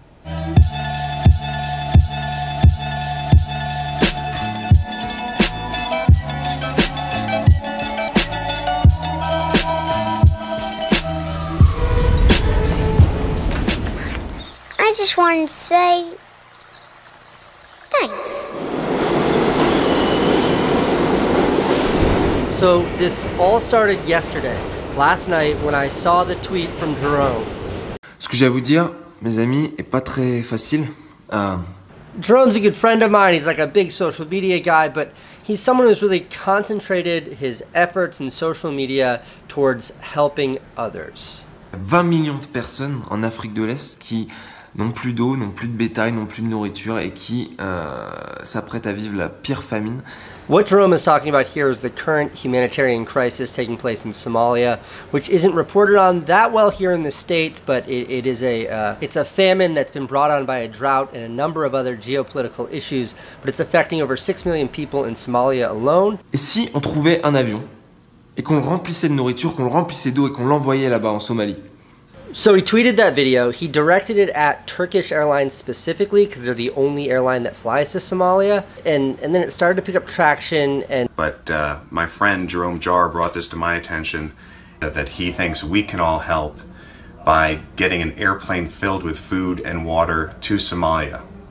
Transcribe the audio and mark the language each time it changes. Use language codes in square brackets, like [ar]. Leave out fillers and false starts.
[en] I just wanted to say thanks. So this all started yesterday, last night, when I saw the tweet from Jerome. [fr] Ce que j'ai à vous dire, mes amis, est pas très facile. [en] Jerome's a good friend of mine. He's like a big social media guy, but he's someone who's really concentrated his efforts in social media towards helping others. [fr] 20 millions de personnes en Afrique de l'Est qui n'ont plus d'eau, n'ont plus de bétail, n'ont plus de nourriture et qui s'apprêtent à vivre la pire famine. [en] What Jerome is talking about here is the current humanitarian crisis taking place in Somalia, which isn't reported on that well here in the States, but it's a famine that's been brought on by a drought and a number of other geopolitical issues, but it's affecting over 6 million people in Somalia alone. [fr] Et si on trouvait un avion et qu'on le remplissait de nourriture, qu'on le remplissait d'eau et qu'on l'envoyait là-bas en Somalie? [en] So he tweeted that video. He directed it at Turkish Airlines specifically because they're the only airline that flies to Somalia. And then it started to pick up traction and... But my friend Jerome Jarre brought this to my attention that he thinks we can all help by getting an airplane filled with food and water to Somalia.